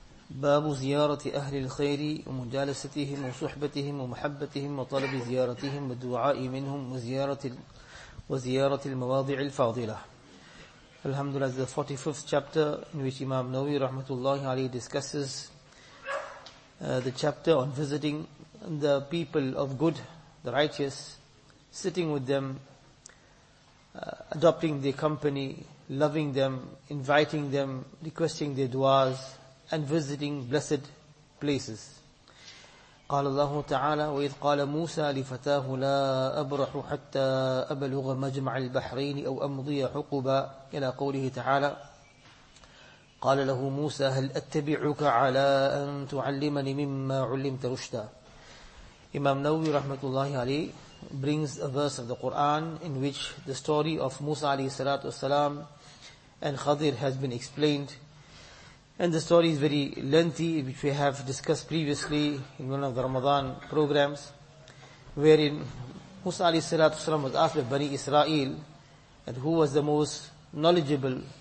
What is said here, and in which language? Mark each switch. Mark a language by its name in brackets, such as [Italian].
[Arabic] باب زيارة أهل الخير ومجالستهم وصحبتهم ومحبتهم وطلب زيارتهم والدعاء منهم وزيارة المواضع الفاضلة. الحمد لله. [English] The 45th chapter in which Imam Nawawi rahmatullahi alayhi discusses the chapter on visiting the people of good, the righteous, sitting with them, adopting their company, loving them, inviting them, requesting their du'as, and visiting blessed places. [Arabic] قال الله تعالى وإذ قال موسى لفتاه لا أبرح حتى أبلغ مجمع البحرين أو أمضي حقبا إلى قوله تعالى قال له موسى هل أتبعك على أن تعلمني مما علمت رشدا. [English] Imam Nawawi rahmatullahi alayhi brings a verse of the Quran in which the story of Musa alayhi salatu wasalam and Khadir has been explained. And the story is very lengthy, which we have discussed previously in one of the Ramadan programs, wherein Musa alayhi salatu wasalam was asked by Bani Israel that who was the most knowledgeable.